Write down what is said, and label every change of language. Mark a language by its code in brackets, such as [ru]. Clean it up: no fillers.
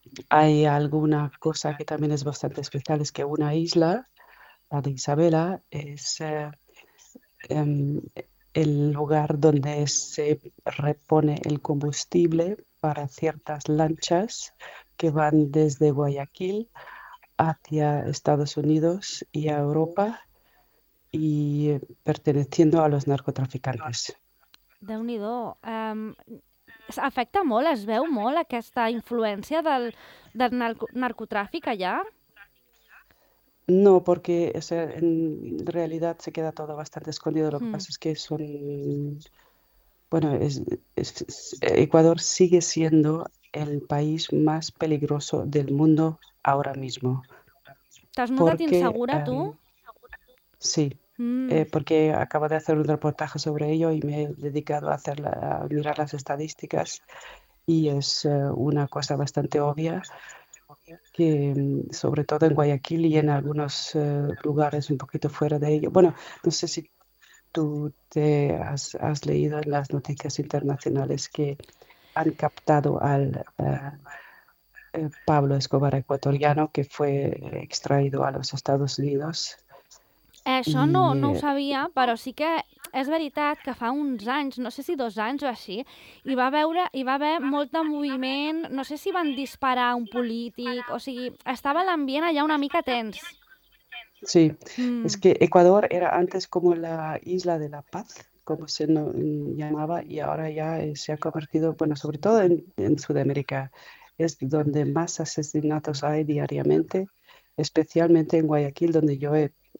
[es] Hay alguna cosa que también es bastante especial, es que una isla, la de Isabela, es el lugar donde se repone el combustible para ciertas lanchas que van desde Guayaquil hacia Estados Unidos y a Europa y perteneciendo a los narcotraficantes. [ca] Déu-n'hi-do. Afecta molt, es veu molt aquesta influència del narcotràfic allà? [es] No, porque o sea, en realidad se queda todo bastante escondido. Lo que pasa es que son Bueno, Ecuador sigue siendo el país más peligroso del mundo ahora mismo. ¿Te has notado Porque, insegura tú? sí, porque acabo de hacer un reportaje sobre ello y me he dedicado a mirar las estadísticas y es una cosa bastante obvia que, sobre todo en Guayaquil y en algunos lugares un poquito fuera de ello. Bueno, no sé si tú te has leído en las noticias internacionales que han captado al Pablo Escobar ecuatoriano que fue extraído a los Estados Unidos. [ca] Això no ho sabia, però sí que és veritat que fa uns anys, no sé si 2 anys o així, hi va haver molt de moviment, no sé si van disparar un polític, o sigui, estava l'ambient allà una mica tens. [es] Sí, es que Ecuador era antes como la Isla de la Paz, como se llamaba, y ahora ya se ha convertido, bueno, sobre todo en Sudamérica, es donde más asesinatos hay diariamente, especialmente en Guayaquil, donde yo he